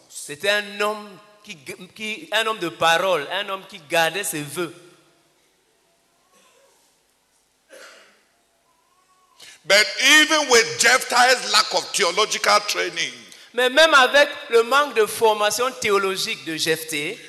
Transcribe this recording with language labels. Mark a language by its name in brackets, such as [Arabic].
[French] C'était un homme qui un homme de parole, un homme qui gardait ses vœux. [English] But even with Jephthah's lack of theological training, [French] mais même avec le manque de formation théologique de Jephthé,